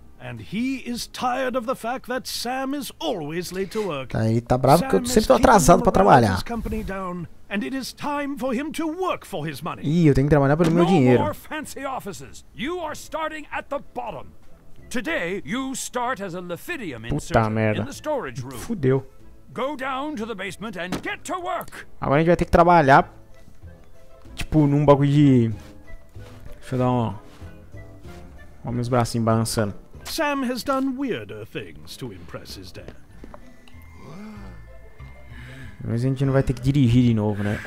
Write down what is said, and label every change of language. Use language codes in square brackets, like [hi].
[en] And he is tired of the fact that Sam is always late to work. [pt] Aí tá bravo que eu sempre tô atrasado pra trabalhar. [en] And it is time for him to work for his money. [pt] Ih, eu tenho que trabalhar pelo meu dinheiro. [en] No more fancy offices. You are starting at the bottom. Today you start as a Lefidium insert in the storage room. [pt] Fudeu. [en] Go down to the basement and get to work. [pt] Agora a gente vai ter que trabalhar tipo num bagulho de deixa eu dar um olha meus bracinhos balançando. [en] Sam has done weirder things to impress his dad. [pt] Mas a gente não vai ter que dirigir de novo, né?